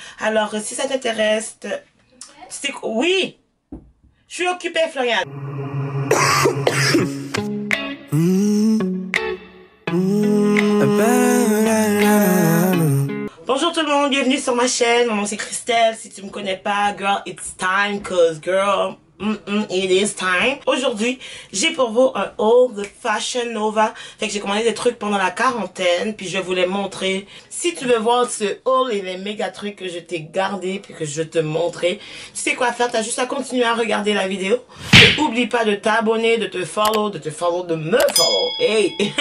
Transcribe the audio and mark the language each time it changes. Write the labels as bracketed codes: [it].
[fr] Alors, si ça t'intéresse, c'est oui, je suis occupée, Floriane. Bonjour tout le monde, bienvenue sur ma chaîne. Mon nom c'est Christelle. Si tu me connais pas, [en] girl, it's time, cause girl. It is time. [fr] Aujourd'hui, j'ai pour vous un haul de Fashion Nova. Fait que j'ai commandé des trucs pendant la quarantaine, puis je vais vous les montrer. Si tu veux voir ce haul et les méga trucs que je t'ai gardés, puis que je vais te montrer, tu sais quoi faire, t'as juste à continuer à regarder la vidéo. Et oublie pas de t'abonner, de te follow, de me follow. Hey!